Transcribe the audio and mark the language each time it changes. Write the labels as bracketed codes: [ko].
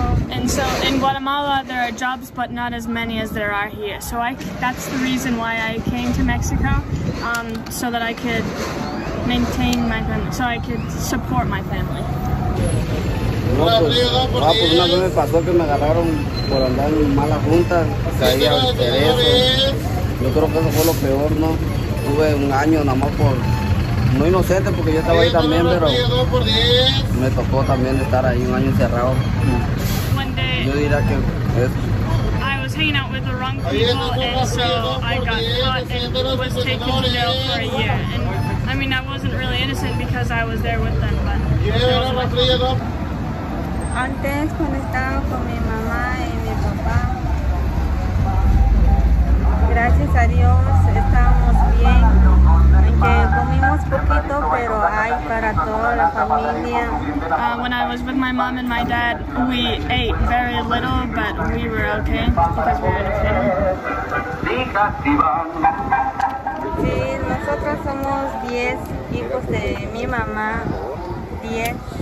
[en] And so in Guatemala there are jobs but not as many as there are here. So that's the reason why I came to Mexico, so that I could maintain my family, so I could support my family. [es] No, pues, ah, pues una vez me pasó que me agarraron por andar en mala junta, caí al cerezo. Yo creo que eso fue lo peor, ¿no? Tuve un año nada más por, muy inocente porque yo estaba ahí también, pero me tocó también estar ahí un año encerrado. Yo diría que es. [en] Hanging out with the wrong people, and so I got caught and was taken to jail for a year. And I mean, I wasn't really innocent because I was there with them, but. [es] Antes, cuando estaba con mi mamá y mi papá, gracias a Dios estábamos bien. Que comimos poquito, pero hay para toda la familia. [en] When I was with my mom and my dad, we ate very little, but we were okay because we were in a family. [es] Sí, nosotros somos 10 hijos de mi mamá. 10.